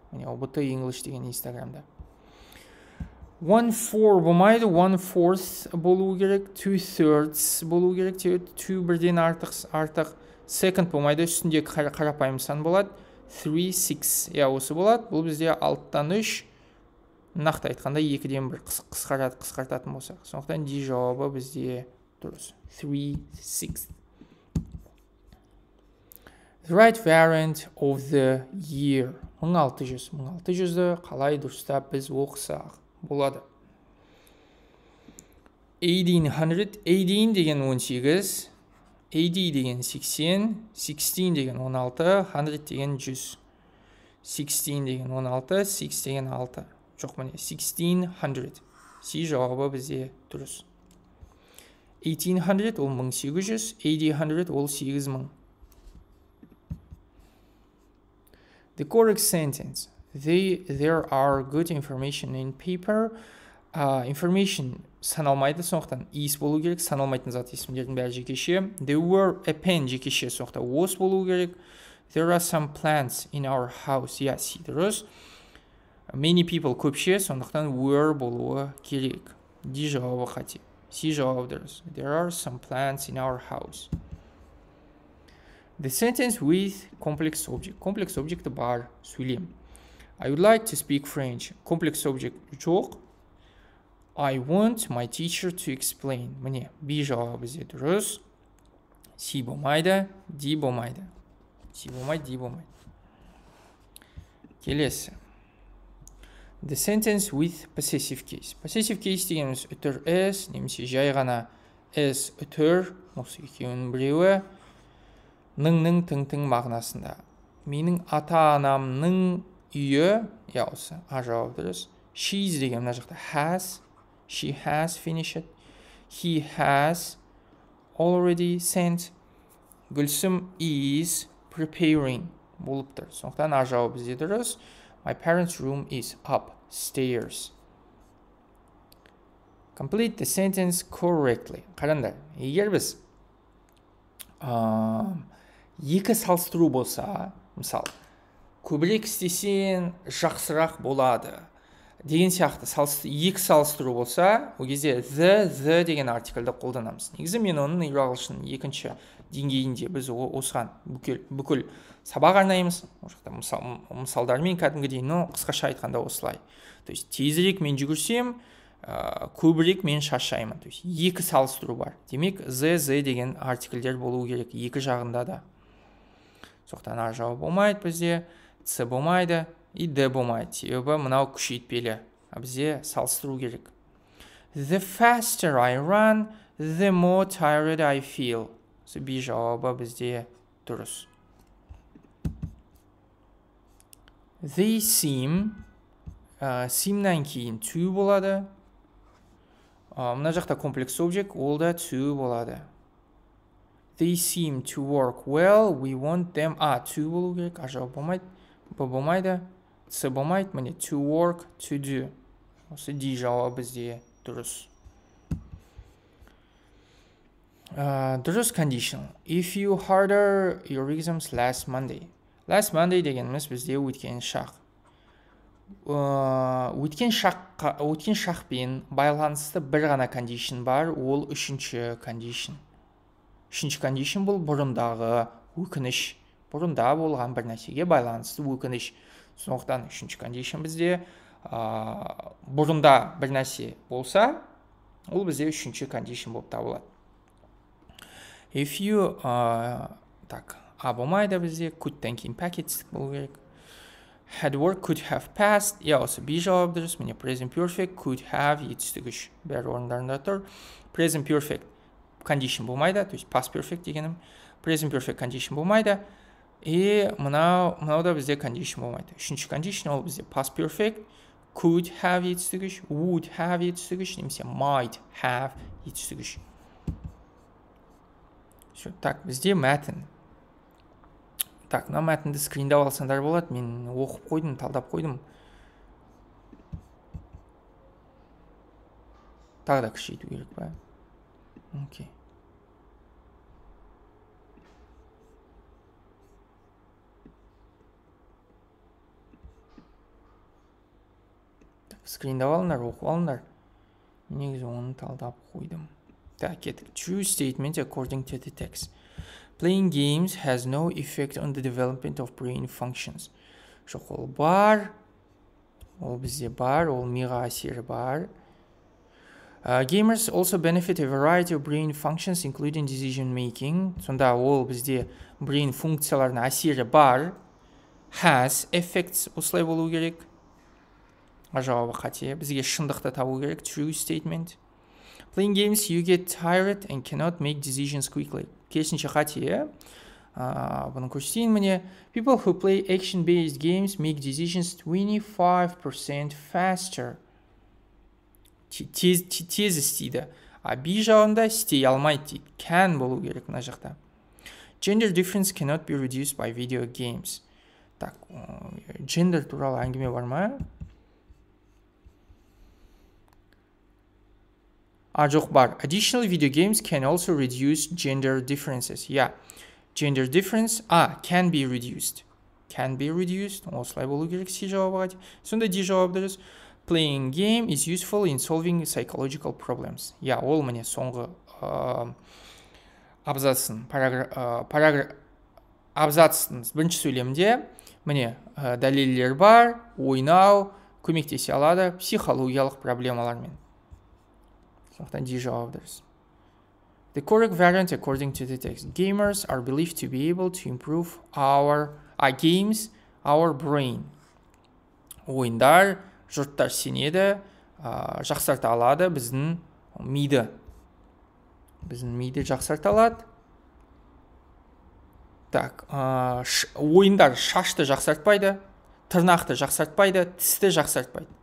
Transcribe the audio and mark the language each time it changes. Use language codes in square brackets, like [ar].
[kk] Мені obt.english деген Инстаграмда. 1/4 болмайды, 1/4 болу керек, 2/3 болу керек, 2 бірден артық, second болмайды, үстінде қарапайым сан болады, 3/6, я осы болады, бұл бізде 6-тан 3, нақты айтқанда 2-ден 1 қысқартатын болсақ, сондықтан D жауабы бізде дұрыс, 3/6. [en] The right variant of the year, [kk] 1600-ді қалай дұрыстап біз оқысақ. Болады. 1800. 18 деген 18. 80 деген 80. 16 деген 16. 100 деген 100. 16 деген 16. 6 деген 6. Жоқ мене. 1600. Си жауабы бізде дұрыс. 1800 ол 1800. 1800 ол 8000. [en] The correct sentence. There are good information in paper. [kk] Information саналмайды соқтан. Is болу керек, саналмайтын зат есімдердің бәрі жекеше. [en] There were a pen [kk] жекеше соқта. Was болу керек. [en] There are some plants in our house. [kk] Yes, дұрыс. [en] Many people [kk] көпше, сондықтан were болуы керек. D жауабы қате. C жауабы дұрыс. [en] There are some plants in our house. The sentence with complex object. [kk] Complex object бар сөйлем. [en] I would like to speak French. Complex object жоқ. I want my teacher to explain. [kk] Мне B жауабы зе дұрыс. C болмайды, D болмайды. C болмайды, D болмайды. Келесі. [en] The sentence with possessive case. [kk] Possessive case дегеніміз үтір S, немесе жай ғана S үтір, осы екеуін біреуі, ның-ның тың-тың мағынасында. Менің ата-анамның үйі, я осы, а жауап дұрыс. She's деген мына жақта has, [en] she has finished, he has already sent, [kk] Гүлсім is preparing болып тұр. Сондықтан а жауап бізде дұрыс. [en] My parents' room is upstairs. Complete the sentence correctly. [kk] Қарандар, егер біз екі салыстыру болса, мысалы, көбірек істесен жақсырақ болады. Деген сияқты екі салыстыру болса, ол кезде the деген артикльді қолданамыз. Негізі мен оның Ағылшын екінші деңгейінде біз осыған бүкіл сабақ арнаймыз. Мысалдармен кәдімгідей, но қысқаша айтқанда осылай. То есть тезірек мен жүгірсем, көбірек мен шаршаймын. То есть екі салыстыру бар. Демек the деген артикльдер болуы керек екі жағында да. Соқтан ар жауап болмайды бізде. С болмайды и Д болмайды. Себебі мынау күшейтпелі. Бізге салыстыру керек. [en] The faster I run, the more tired I feel. [kk] Сөйтіп жауабы бізде дұрыс. They seem, seem-нан кейін to болады. Мына жақта complex object, ол да to болады. [en] They seem to work well, we want them, to болу керек, [kk] ажау болмайды, болмайды, с болмайды, мене [en] to work, to do. [kk] Осы D жауап бізде дұрыс. Дұрыс condition. [en] If you harder your exams last Monday. [kk] Last Monday дегеніміз бізде өткен шақ. Өткен шақ пен байланысты бір ғана condition бар, ол үшінші condition. Үшінші condition бұл бұрындағы өкініш. Бұрында болған бір нәрсеге байланысты өкініш. Сондықтан үшінші condition бізде бұрында бір нәрсе болса, ол бізде үшінші condition болып табылады. If you, болмайды бізде, could-тен кейін пакетстік болу керек. [en] Had work, could have passed. [kk] Я осы B жауап дұрыс, мене present perfect, could have, етістік үш, бәр орындарында тұр. Present perfect condition болмайды, то есть past perfect дегенім. Present perfect condition болмайды. И мынау да бізде condition болмайды. Үшінші condition ол бізде past perfect, could have, етістік үш, would have, етістік үш, немесе might have, етістік үш. Так, бізде мәтін. Так, мына мәтінді скриндап алсаңдар болады. Мен оқып қойдым, талдап қойдым. Тағы да күшейту керек па? Окей. Скриндап алыңдар, оқып алыңдар. Негізі оны талдап қойдым. Так, кеттік. [en] True statement according to the text. Playing games has no effect on the development of brain functions. [kk] Жоқ, ол бар. Ол бізде бар. Ол миға әсері бар. [en] Gamers also benefit a variety of brain functions, including decision making. [kk] Сонда ол бізде brain функцияларына әсері бар. [en] Has effects. [kk] Осылай болу керек. А жауабы қате. Бізге шындықты табу керек. [en] True statement. Playing games, you get tired and cannot make decisions quickly. [kk] Керісінше қате, бұны көрсетейін міне. [en] People who play action-based games make decisions 25% faster. [kk] Тез істейді. А B жауында істей алмайды. Can болу керек мына жақта. [en] Gender difference cannot be reduced by video games. [kk] Так, gender туралы әңгіме бар ма? А, жоқ бар. [en] Additional video games can also reduce gender differences. Yeah. Gender difference, can be reduced. Can be reduced. [kk] Осылай болу керек си жауабы ғады. Сонда ди жауап дұрыс. [en] Playing game is useful in solving psychological problems. [kk] Yeah, ол мене соңғы абзацын, абзацын бірінші сөйлемде. Мене дәлелілер бар, ойнау, көмектесе алады, психологиялық проблемалармен. Сондықтан D жауап дұрыс. [en] The correct variant according to the text. Gamers are believed to be able to improve our games, our brain. [kk] Ойындар, жұрттар сенеді, жақсарта алады біздің миды. Біздің миды жақсарта алады. Так, ойындар шашты жақсартпайды, тырнақты жақсартпайды, тісті жақсартпайды.